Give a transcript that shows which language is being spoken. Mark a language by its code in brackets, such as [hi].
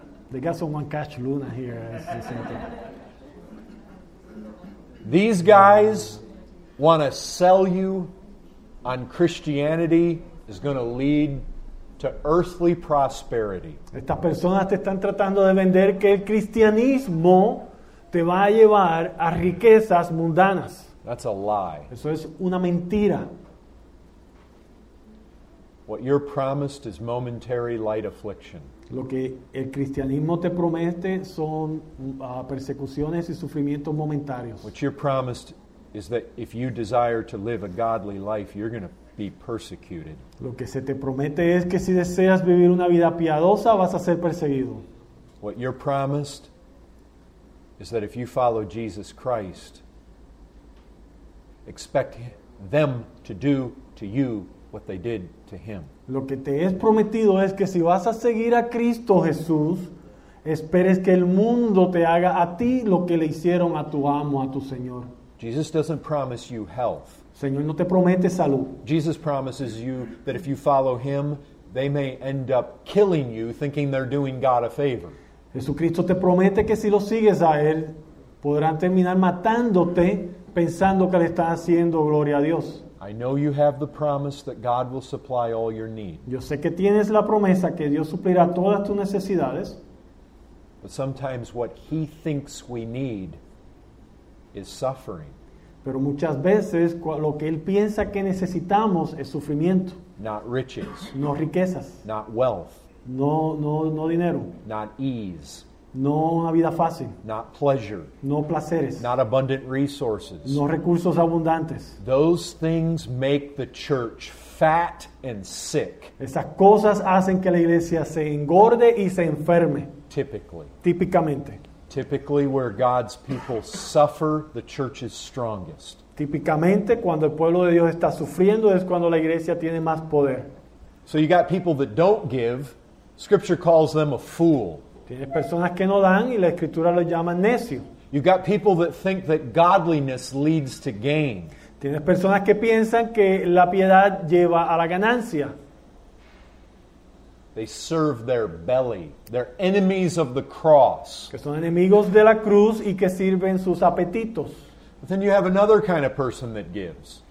[en] They got someone catch Luna here. These guys want to sell you on Christianity is going to lead to earthly prosperity. [es] Estas personas te están tratando de vender que el cristianismo te va a llevar a riquezas mundanas. [en] That's a lie. [es] Eso es una mentira. [en] What you're promised is momentary light affliction. [es] Lo que el cristianismo te promete son persecuciones y sufrimientos momentarios. [en] What you're promised is that if you desire to live a godly life, you're going to be persecuted. [es] Lo que se te promete es que si deseas vivir una vida piadosa, vas a ser perseguido. [en] What you're promised is that if you follow Jesus Christ, expect them to do to you what they did to him. [es] Lo que te es prometido es que si vas a seguir a Cristo Jesús, esperes que el mundo te haga a ti lo que le hicieron a tu amo, a tu Señor. [en] Jesus doesn't promise you health. [es] Señor, no te promete salud. [en] Jesus promises you that if you follow him, they may end up killing you, thinking they're doing God a favor. [es] Jesucristo te promete que si lo sigues a él, podrán terminar matándote, pensando que le están haciendo gloria a Dios. [en] I know you have the promise that God will supply all your need. [es] Yo sé que tienes la promesa que Dios suplirá todas tus necesidades. [en] But sometimes what he thinks we need is suffering. [es] Pero muchas veces lo que él piensa que necesitamos es sufrimiento. [en] Not riches. [es] No riquezas. [en] Not wealth. [es] No dinero. [en] Not ease. [es] No una vida fácil. [en] Not pleasure. [es] No placeres. [en] Not abundant resources. [es] No recursos abundantes. [en] Those things make the church fat and sick. [es] Esas cosas hacen que la iglesia se engorde y se enferme. [en] Typically. [es] Típicamente. [en] Typically, where God's people suffer, the church is strongest. [es] Típicamente, cuando el pueblo de Dios está sufriendo, es cuando la iglesia tiene más poder. [en] So you got people that don't give. Scripture calls them a fool. [es] Tienes personas que no dan y la escritura los llama necio. [en] You got people that think that godliness leads to gain. [es] Tienes personas que piensan que la piedad lleva a la ganancia. [en] They serve their belly. They're enemies of the cross. [es] Que son enemigos de la cruz y que sirven sus apetitos. [en] But then you have another kind of person that gives.